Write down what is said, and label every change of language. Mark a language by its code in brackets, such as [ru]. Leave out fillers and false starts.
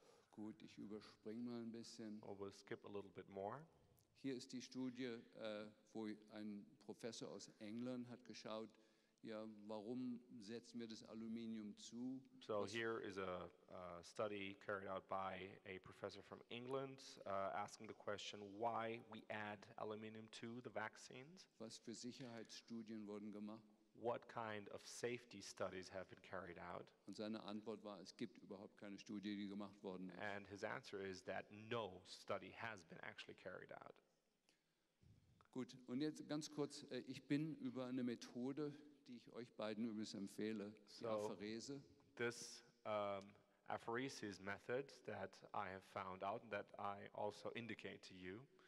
[de] Gut, ich überspringe mal ein bisschen. [en] Or we'll skip a little bit more. [de] Hier ist die Studie, wo ein Professor aus England hat geschaut, ja, warum setzen wir das Aluminium zu? [en] So here is a study carried out by a professor from England asking the question why we add aluminium to the vaccines. [de] Was für Sicherheitsstudien wurden gemacht? [en] What kind of safety studies have been carried out? [de] Und seine Antwort war, es gibt überhaupt keine Studie, die gemacht worden ist. [en] And his answer is that no study has been actually carried out. [de] Gut, und jetzt ganz kurz, ich bin über eine Methode, die ich euch beiden übrigens empfehle, [en] so [de] die Apherese. [en] This apheresis method that I have found out that I also indicate to you.